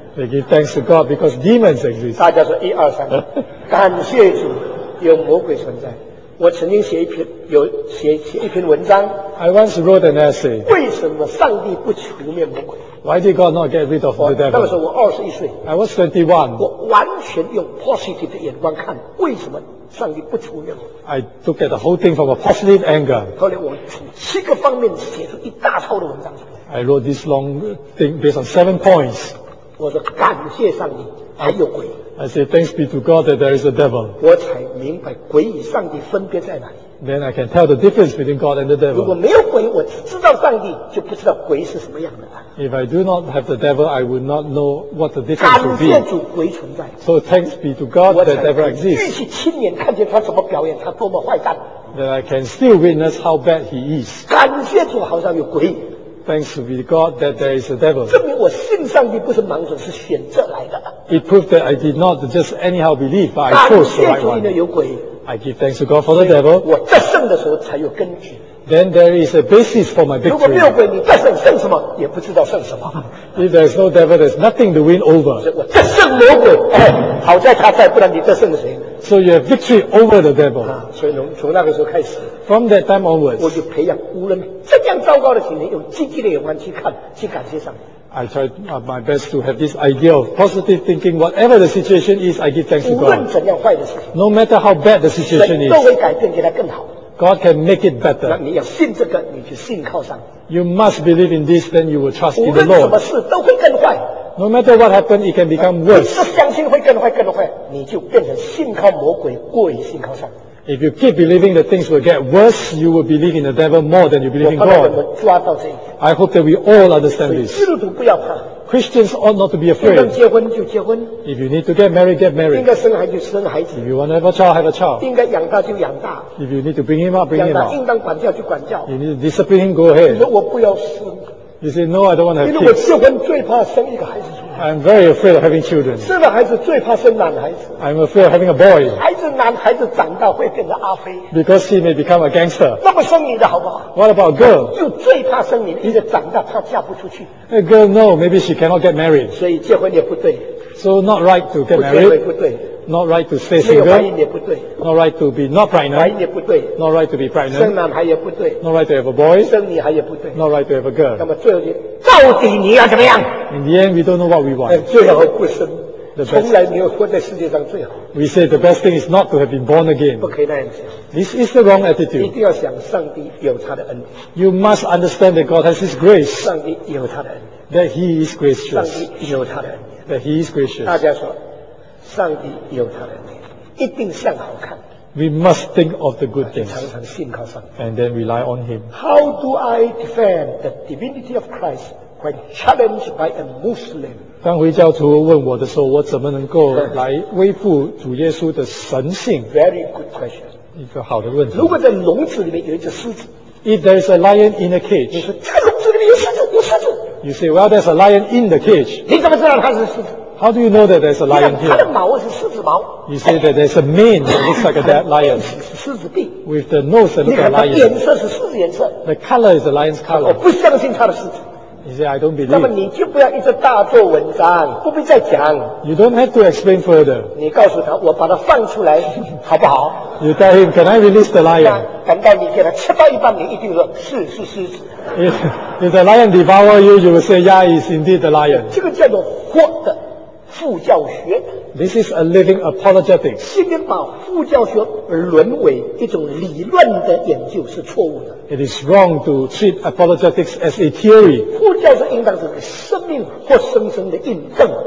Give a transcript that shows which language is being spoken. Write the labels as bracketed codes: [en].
[en] They give thanks to God because demons exist. [zh] 大家说一二三，感谢主，有魔鬼存在。我曾经写一篇文章。 [en] I once wrote an essay. [zh] 为什么上帝不除灭魔鬼 [en] ？Why did God not get rid of the devil？ [zh] 那个时候我二十一岁。 [en] I was 21. [zh] 我完全用 positive 的眼光看，为什么？上帝不除灭我。 [en] I took at the whole thing from a positive anger. [zh] 后来我从七个方面写出一大套的文章。 [en] I wrote this long thing based on 7 points. [zh] 我说感谢上帝，还有鬼。 [en] I said thanks be to God that there is a devil. [zh] 我才明白鬼与上帝分别在哪里。 [en] Then I can tell the difference between God and the devil. [zh] 如果没有鬼，我知道上帝，就不知道鬼是什么样的。 [en] If I do not have the devil, I would not know what the difference would be. [zh] 感谢主鬼存在。 [en] So thanks be to God that devil exists. [zh] 我才能继续亲眼看见他怎么表演，他多么坏蛋。 [en] That I can still witness how bad he is. [zh] 感谢主，好像有鬼。 [en] Thanks be to God that there is a devil. [zh] 证明我信上帝不是盲从，是选择来的。 [en] It proved that I did not just anyhow believe, but I chose the right one. [zh] 感谢主有鬼。 [en] I give thanks to God for the devil. [zh] 我得胜的时候才有根据。 [en] Then there is a basis for my victory. [zh] 如果没有鬼，你再胜胜什么也不知道胜什么。 [en] If there is no devil, there is nothing to win over. [zh] 我得胜魔鬼，好在他在，不然你得胜谁？ [en] So you have victory over the devil. [zh] 所以从那个时候开始， [en] From that time onwards, [zh] 我就培养无论这样糟糕的情形，用积极的眼光去看，去感谢上帝。 [en] I try my best to have this idea of positive thinking. Whatever the situation is, I give thanks to God. [zh] 无论怎样坏的事情， [en] No matter how bad the situation is, [zh] 神都会改变，给他更好。 [en] God can make it better. [zh] 那你要信这个，你就信靠上帝。 [en] You must believe in this, then you will trust in the Lord. [zh] 无论什么事都会更坏。 [en] No matter what happened, it can become worse. [zh] 你是相信会更坏更坏，你就变成信靠魔鬼过于信靠上帝。 [en] If you keep believing that things will get worse, you will believe in the devil more than you believe in God. I hope that we all understand this. Christians ought not to be afraid. If you need to get married, get married. If you want to have a child, have a child. If you need to bring him up, bring him up. If you need to discipline him, go ahead. You say, no, I don't want to have kids. I'm very afraid of having children. [zh] 生了孩子最怕生男孩子。 [en] I'm afraid of having a boy. [zh] 孩子男孩子长大会变成阿飞。 [en] Because he may become a gangster. [zh] 那么生女的好不好？ [en] What about a girl? [zh] 就最怕生女的，一直长大怕嫁不出去。 [en] A girl, no, maybe she cannot get married. [zh] 所以结婚也不对。 [en] So not right to get married. [zh] 不结婚也不对。 [en] Not right to stay single. [zh] 没有怀孕也不对。 [en] Not right to be not pregnant. [zh] 怀孕也不对。 [en] Not right to be pregnant. [zh] 生男孩也不对。 [en] Not right to have a boy. [zh] 生女孩也不对。 [en] Not right to have a girl. [zh] 那么最后你到底你要怎么样？ [en] In the end, we don't know what we want. [zh] 最好不生。从来没有活在世界上最好。 [en] We say the best thing is not to have been born again. [zh] 不可以那样想。 [en] This is the wrong attitude. [zh] 一定要想上帝有他的恩典。 [en] You must understand that God has His grace. [zh] 上帝有他的恩典。 [en] That He is gracious. [zh] 上帝有他的恩典。 [en] That He is gracious. [zh] 大家说。上帝有他的恩典，一定向好看。 [en] We must think of the good things. [zh] 常常信靠上帝。 [en] And then rely on Him. How do I defend the divinity of Christ when challenged by a Muslim? [zh] 当回教徒问我的时候，我怎么能够来恢复主耶稣的神性？ [en] Very good question. [zh] 一个好的问题。如果在笼子里面有一只狮子， [en] If there is a lion in a cage, [zh] 你说在笼子里面有狮子，有狮子。 [en] You say, well, there's a lion in the cage. [zh] 你怎么知道它是狮子？ [en] How do you know that there's a lion here? [zh] 它的毛是狮子毛。 [en] You say that there's a mane that looks like a dead lion. [zh] 狮子鼻。 [en] With the nose that looks like a lion. [zh] 颜色是狮子颜色。 [en] The color is the lion's color. [zh] 我不相信它的狮子。 [en] You say I don't believe. [zh] 那么你就不要一直大做文章，不必再讲。 [en] You don't have to explain further. [zh] 你告诉他，我把它放出来，好不好？ [en] You tell him, can I release the lion? [zh] 等到你给他吃到一半，你一定说是是狮子。 [en] If the lion devour you, you will say, yeah, it's indeed the lion. [zh] 这个叫做活的。副教学。 [en] This is a living apologetics. [zh] 今天把副教学沦为一种理论的研究是错误的。 [en] It is wrong to treat apologetics as a theory. [zh] 副教学应当是生命活生生的印证。